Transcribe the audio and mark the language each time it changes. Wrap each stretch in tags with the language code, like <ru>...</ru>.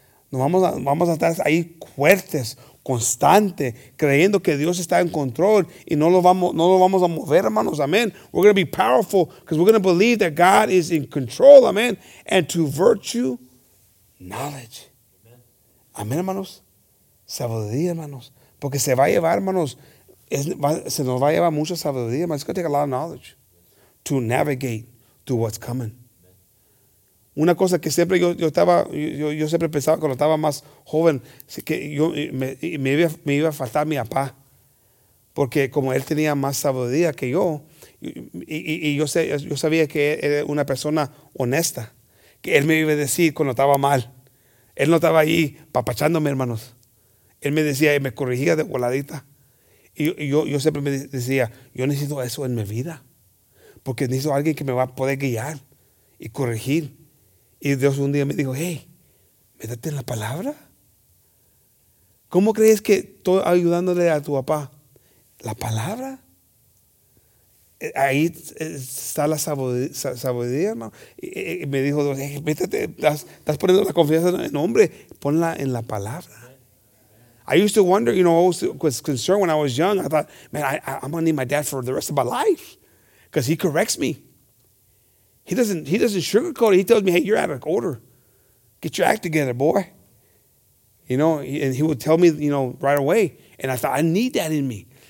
<es>Vamos a estar ahí fuertes, constante, creyendo que Dios está en control y no lo vamos a mover, hermanos. Amén.</es> <en>We're going to be powerful because we're going to believe that God is in control. Amén. And to virtue, knowledge.</en> <es>Amén, hermanos. Sabiduría, hermanos. Porque se va a llevar, hermanos. Se nos va a llevar mucha sabiduría, hermanos.</es> <en>It's going to take a lot of knowledge to navigate to what's coming.</en> <es>Una cosa que siempre yo siempre pensaba cuando estaba más joven, que yo me iba a faltar mi papá, porque como él tenía más sabiduría que yo, y yo sabía que era una persona honesta, que él me iba a decir cuando estaba mal. Él no estaba ahí papachándome, hermanos. Él me decía y me corregía de voladita. Y yo siempre me decía, yo necesito eso en mi vida, porque necesito a alguien que me va a poder guiar y corregir. Y Dios un día me dijo, hey, métete en la palabra. ¿Cómo crees que estoy ayudándole a tu papá? La palabra. Ahí está la sabiduría, hermano. Y me dijo, hey, métete, estás poniendo la confianza en hombre, ponla en la palabra.</es> <en>I used to wonder, you know, I was concerned when I was young. I thought, man, I'm going to need my dad for the rest of my life because he corrects me. He doesn't sugarcoat it. He tells me, hey, you're out of order. Get your act together, boy. You know, and he would tell me, you know, right away. And I thought, I need that in me.</en>